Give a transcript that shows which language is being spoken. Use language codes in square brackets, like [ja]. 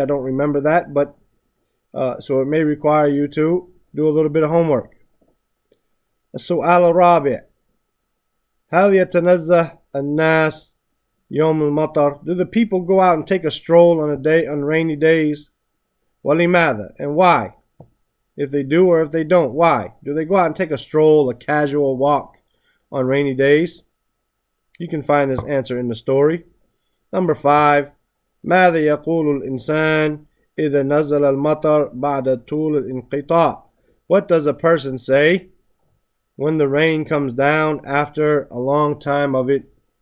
[en] I don't remember that, but so it may require you to do a little bit of homework. [ar] السؤال الرابع. هل يتنزه الناس يوم المطر? [en] Do the people go out and take a stroll on a day on rainy days? [ar] ولماذا? [en] And why? If they do or if they don't, why? Do they go out and take a stroll, a casual walk on rainy days? You can find this answer in the story. Number five. [ar] ماذا يقول الإنسان إذا نزل المطر بعد طول الانقطاع? [en] What does a person say when the rain comes down after a long time of it?